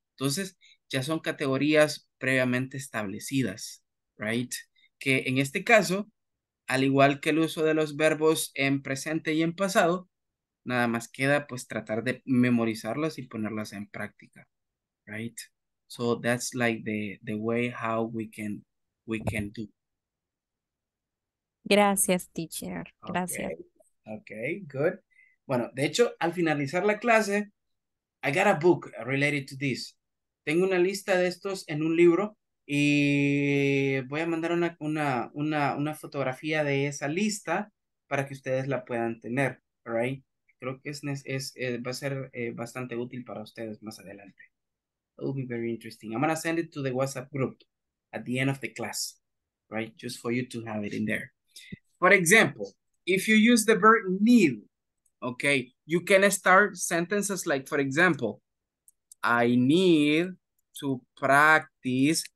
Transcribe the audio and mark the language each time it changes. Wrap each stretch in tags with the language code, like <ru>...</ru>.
<es>Entonces, ya son categorías previamente establecidas, right? Que en este caso, al igual que el uso de los verbos en presente y en pasado, nada más queda pues tratar de memorizarlas y ponerlas en práctica, right?</es> <en>So that's like the way how we can do.</en> <es>Gracias, teacher. Gracias.</es> <en>Okay, good.</en> <es>Bueno, de hecho, al finalizar la clase,</es> <en>I got a book related to this.</en> <es>Tengo una lista de estos en un libro y voy a mandar una fotografía de esa lista para que ustedes la puedan tener, right? Creo que va a ser bastante útil para ustedes más adelante.</es> <en>It will be very interesting. I'm going to send it to the WhatsApp group at the end of the class, right? Just for you to have it in there. For example, if you use the verb need, okay, you can start sentences like, for example, I need to practice.</en>